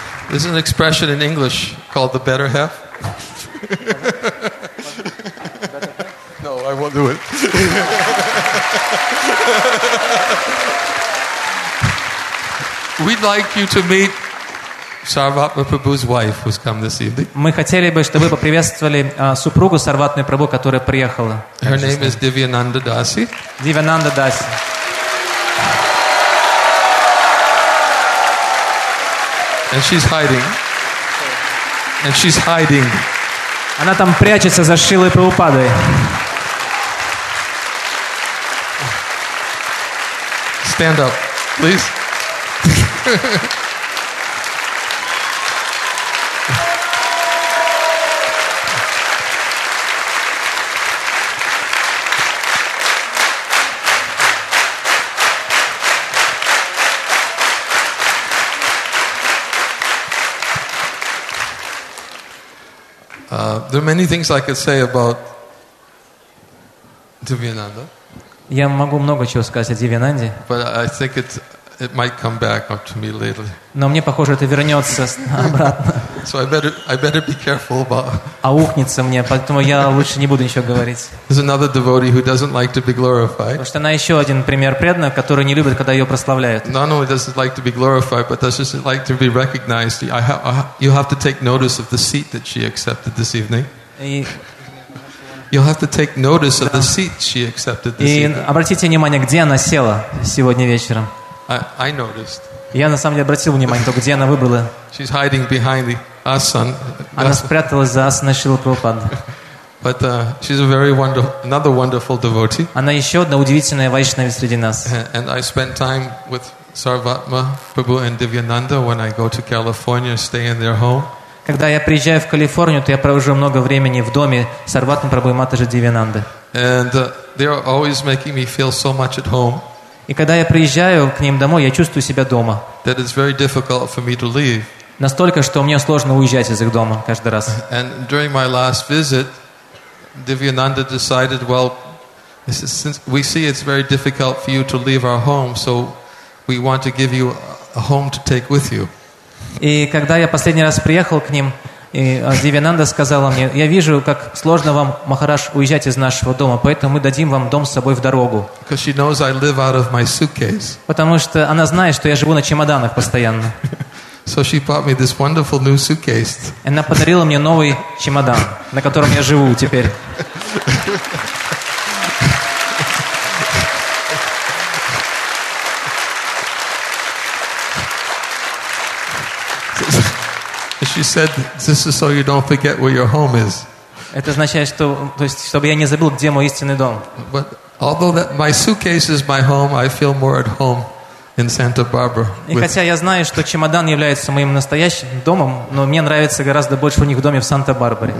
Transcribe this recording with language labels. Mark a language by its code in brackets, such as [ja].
[en] This is an expression in English called the better half. No, I won't do it. We'd like you to meet Sarvat Mahaprabhu's wife, who's come this evening. [ru] Мы хотели бы, чтобы вы поприветствовали супругу Сарватны Прабху, которая приехала. [en] Her name is Divyananda Dasi. Divyananda Dasi. And she's hiding. And she's hiding. [ru] Она там прячется за Шрилой Прабхупадой. [en] Stand up, please. There are many things I could say about Divyananda. [ru] Я могу много чего сказать о Дивьянанде. [en] But I think it might come back up to me later. [ru] Но мне похоже, это вернется обратно. [en] So I better be careful about. [ru] А ухнется мне, поэтому я лучше не буду ничего говорить. [en] There's another devotee who doesn't like to be glorified. [ru] Потому что она еще один пример преданного, который не любит, когда ее прославляют. [en] No, no, he doesn't like to be glorified, but does just like to be recognized. You have to take notice of the seat that she accepted this evening. You'll have to take notice of the seat she accepted this evening. [ru] И обратите внимание, где она села сегодня вечером. [en] I noticed. [ru] Я на самом деле обратил внимание, только где она выбрала. [en] She's hiding behind the asan. [ru] Она спряталась за асаной Шрилы Прабхупады. [en] But she's a very wonderful, another wonderful devotee. [ru] Она еще одна удивительная вайшнави среди нас. [en] And I spent time with Sarvatma Prabhu and Divyananda when I go to California, stay in their home. [ru] Когда я приезжаю в Калифорнию, то я провожу много времени в доме Сарватны Прабху и Матаджи Дивьянанды. [en] And they are always making me feel so much at home. [ru] И когда я приезжаю к ним домой, я чувствую себя дома. [en] That it's very difficult for me to leave. [ru] Настолько, что мне сложно уезжать из их дома каждый раз. [en] And during my last visit, Divyananda decided, well, since we see it's very difficult for you to leave our home, so we want to give you a home to take with you. [ru] И когда я последний раз приехал к ним, и Дивьянанда сказала мне, я вижу, как сложно вам, Махарадж, уезжать из нашего дома, поэтому мы дадим вам дом с собой в дорогу. [en] Because she knows I live out of my suitcase. [ru] Потому что она знает, что я живу на чемоданах постоянно. [en] So she bought me this wonderful new suitcase. [ru] Она подарила мне новый чемодан, на котором я живу теперь. [en] She said, "This is so you don't forget where your home is." [ru] Это означает, что, то есть, чтобы я не забыл, где мой истинный дом. [en] But although that my suitcase is my home, I feel more at home in Santa Barbara. [ru] И хотя я знаю, что чемодан является моим настоящим домом, но мне нравится гораздо больше у них в доме в Санта-Барбаре.